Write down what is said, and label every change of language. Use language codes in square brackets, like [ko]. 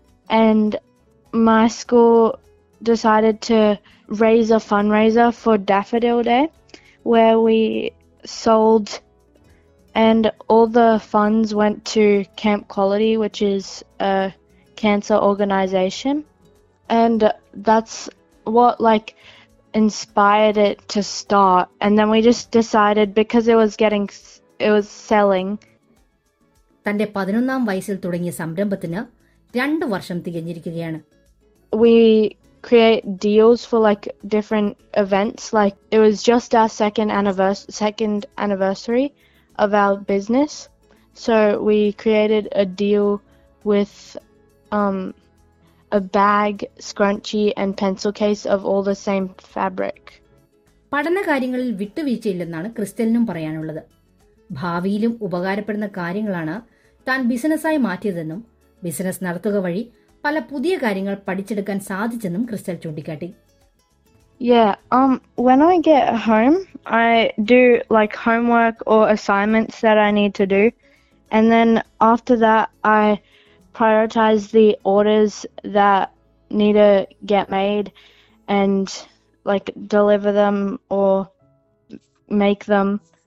[en] And my school decided to raise a fundraiser for Daffodil Day, where we sold, and all the funds went to Camp Quality, which is a cancer organization, and that's what like inspired it to start. And then we just decided, because it was selling. [ml] തന്റെ 11-ാം വയസ്സിൽ തുടങ്ങിയ സംരംഭത്തിന് 2 വർഷം തികഞ്ഞിരിക്കുകയാണ്. [en] We create deals for like different events. Like it was just our second anniversary of our business, so we created a deal with a bag, scrunchie and pencil case of all the same fabric. [ml] പഠന കാര്യങ്ങളിൽ വിട്ടുവീഴ്ച ഇല്ലെന്നാണ് ക്രിസ്റ്റലിനും പറയാനുള്ളത്. ഭാവിയിലും ഉപകാരപ്പെടുന്ന കാര്യങ്ങളാണ് താൻ ബിസിനസ്സായി മാറ്റിയതെന്നും business നടത്തുക വഴി പല പുതിയ കാര്യങ്ങൾ പഠിച്ചെടുക്കാൻ സാധിച്ചെന്നും ക്രിസ്റ്റൽ ചൂണ്ടിക്കാട്ടി. [en] When I get home, I do like homework or assignments that I need to do. And then after that, I prioritize the orders that need to get made and like deliver them or make them.